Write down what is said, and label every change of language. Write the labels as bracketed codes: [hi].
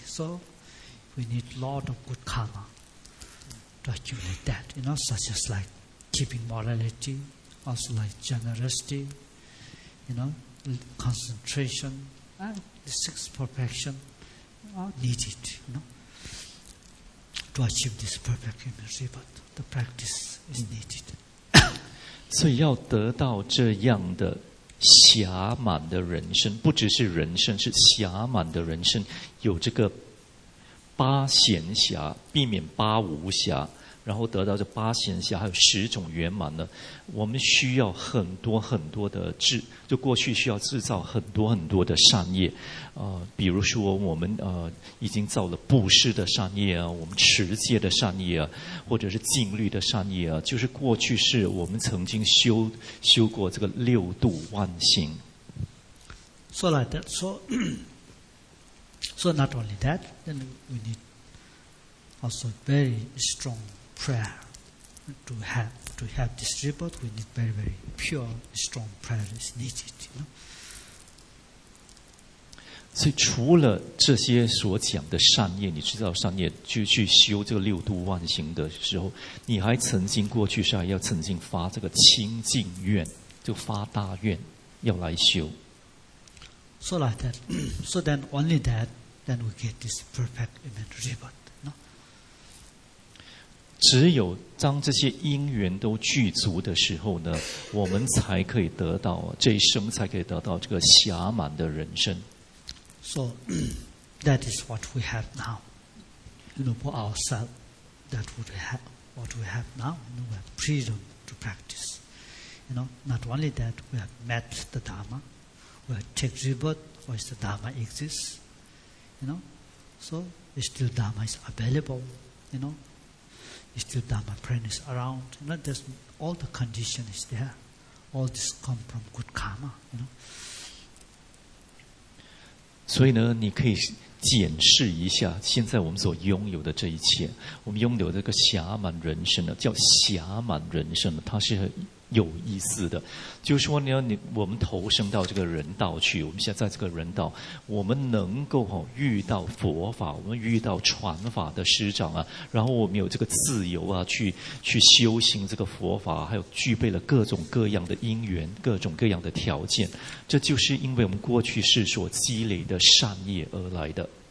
[en] So we need a lot of good karma. To accumulate that, you know, such as like keeping morality, also like generosity, you know, concentration, and the six perfection are needed, you know, to achieve this perfect human rebirth, the practice is needed. [zh] 所以要得到这样的暇满的人生，不只是人生，是暇满的人生，有这个八闲暇，避免八无暇。然后得到这八闲暇还有十种圆满呢，我们需要很多很多的智，就过去需要制造很多很多的善业，比如说我们已经造了布施的善业啊，我们持戒的善业啊，或者是禁律的善业啊，就是过去是我们曾经修过这个六度万行。 [en] So like that, so not only that, then we need also very strong. Prayer to have this rebirth, we need very very pure strong prayer is needed. You know. [zh] 所以除了这些所讲的善业，你知道善业去修这个六度万行的时候，你还曾经过去是还要曾经发这个清净愿，就发大愿要来修。 [en] So like that, so then only that, then we get this perfect human rebirth. [zh] 只有当这些因缘都具足的时候呢，我们才可以得到这一生，才可以得到这个暇满的人生。 [en] So that is what we have now. You know, for ourselves, that would have what we have now. You know, we have freedom to practice. You know, not only that, we have met the Dharma, we have take rebirth, or is the Dharma exists. You know, so still Dharma is available. You know. Still Dharma friend is around, you know, there's all the condition is there. All this come from good karma, you know. [zh] 所以呢，你可以检视一下现在我们所拥有的这一切，我们拥有这个暇满人生呢，叫暇满人生呢，它是有意思的，就是说呢，我们投生到这个人道去，我们现在这个人道，我们能够遇到佛法，我们遇到传法的师长啊，然后我们有这个自由啊，去修行这个佛法，还有具备了各种各样的因缘，各种各样的条件，这就是因为我们过去世所积累的善业而来的。